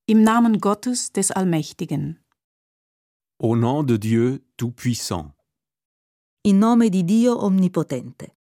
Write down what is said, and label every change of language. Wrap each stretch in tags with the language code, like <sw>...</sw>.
<de>Im Namen Gottes des Allmächtigen.</de> <fr>Au nom de Dieu Tout-Puissant.</fr> <it>In nome di Dio Omnipotente.</it>